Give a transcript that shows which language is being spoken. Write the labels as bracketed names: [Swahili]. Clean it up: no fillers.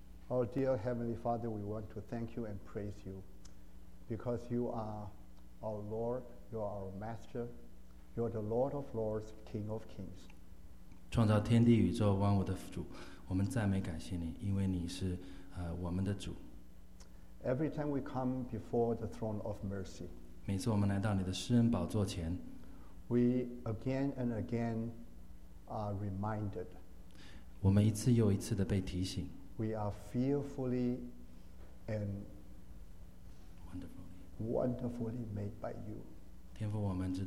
[English] Our dear Heavenly Father, we want to thank you and praise you because you are our Lord, you are our Master, you are the Lord of Lords, King of Kings. [Chinese] 创造天地宇宙万物的主，我们赞美感谢你，因为你是 我们的主。 [English] Every time we come before the throne of mercy, [Chinese] 每次我们来到你的施恩宝座前, [English] we again and again are reminded, [Chinese] 我们一次又一次的被提醒, [English] we are fearfully and wonderfully made by you.